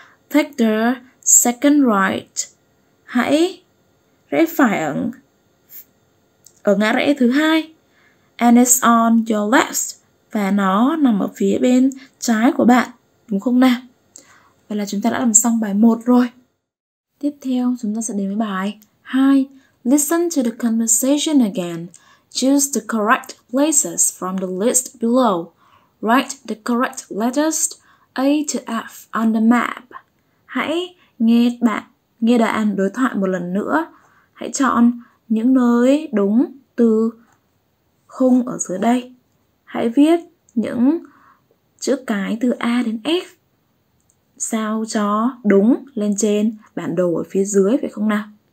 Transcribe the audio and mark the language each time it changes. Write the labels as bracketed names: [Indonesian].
[English] Take the second right. [Vietnamese] Hãy rẽ phải ở ngã rẽ thứ hai. [English] And it's on your left. [Vietnamese] Và nó nằm ở phía bên trái của bạn. Đúng không nào? Vậy là chúng ta đã làm xong bài 1 rồi. Tiếp theo chúng ta sẽ đến với bài 2. [English] Listen to the conversation again. Choose the correct places from the list below. Write the correct letters A to F on the map. [Vietnamese] Hãy nghe đoạn đối thoại một lần nữa. Hãy chọn những nơi đúng từ khung ở dưới đây. Hãy viết những chữ cái từ A đến F sao cho đúng lên trên bản đồ ở phía dưới, phải không nào?